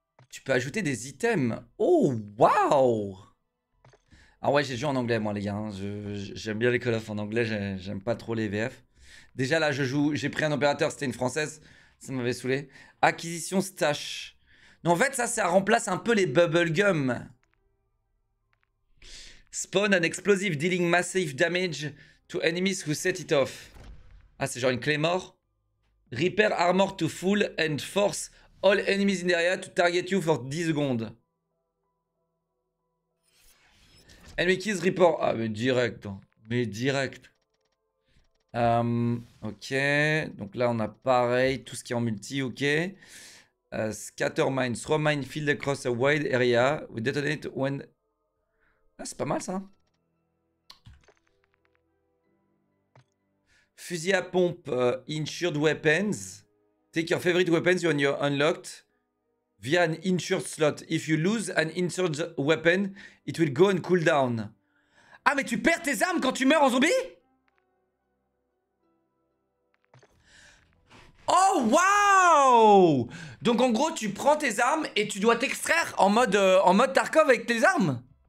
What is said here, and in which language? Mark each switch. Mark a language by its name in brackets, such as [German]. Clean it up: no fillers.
[French] Tu peux ajouter des items. Oh, waouh! Ah ouais, j'ai joué en anglais, moi, les gars. J'aime bien les Call of en anglais, j'aime pas trop les VF. Déjà, là, je joue. J'ai pris un opérateur, c'était une française. Ça m'avait saoulé. Acquisition stash. Non, en fait, ça remplace un peu les bubblegum. [English] Spawn an explosive dealing massive damage to enemies who set it off. [French] Ah, c'est genre une clé mort. [English] Repair armor to full and force all enemies in the area to target you for 10 secondes. Enemy keys report. [French] Ah, mais direct. Mais direct. Ok. Donc là, on a pareil. Tout ce qui est en multi. Ok. Scatter mine. [English] Throw mine field across a wide area. We detonate when. [French] Ah, c'est pas mal ça. Fusil à pompe. [English] Insured weapons. Take your favorite weapons when you're unlocked. Via an insured slot. If you lose an insured weapon, it will go on cooldown. [French] Ah, mais tu perds tes armes quand tu meurs en zombie? Oh, waouh! Donc, en gros, tu prends tes armes et tu dois t'extraire en mode Tarkov avec tes armes?